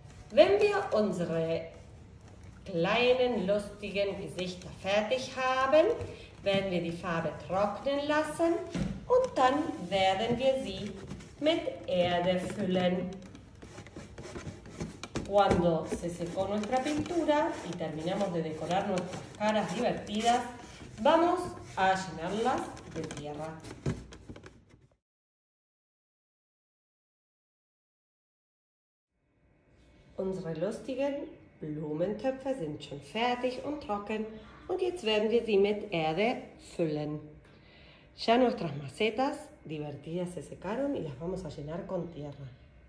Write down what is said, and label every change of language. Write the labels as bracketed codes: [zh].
[de] Wenn wir unsere kleinen lustigen Gesichter fertig haben, werden wir die Farbe trocknen lassen und dann werden wir sie mit Erde füllen. [es] Cuando se secó nuestra pintura y terminamos de decorar nuestras caras divertidas, vamos a llenarlas de tierra. [de] Unsere lustigen Blumentöpfe sind schon fertig und trocken und jetzt werden wir sie mit Erde füllen. [es] Ya nuestras macetas divertidas se secaron y las vamos a llenar con tierra.